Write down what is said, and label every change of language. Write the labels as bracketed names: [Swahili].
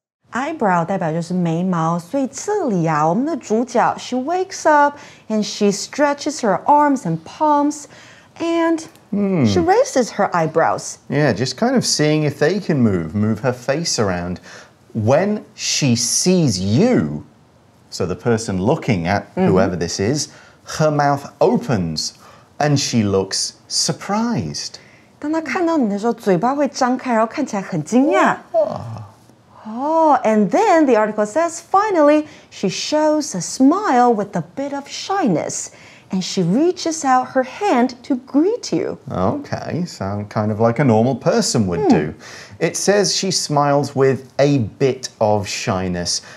[English] Eyebrow [Chinese] 代表就是眉毛，所以这里啊，我们的主角 [English] she wakes up and she stretches her arms and palms, and she raises her eyebrows. Yeah, just kind of seeing if they can move her face around. When she sees you, so the person looking at whoever this is, her mouth opens and she looks surprised. [Chinese] 当她看到你的时候，嘴巴会张开，然后看起来很惊讶。 [English] Oh, and then the article says, finally, she shows a smile with a bit of shyness, and she reaches out her hand to greet you. Okay, sound kind of like a normal person would do. It says she smiles with a bit of shyness.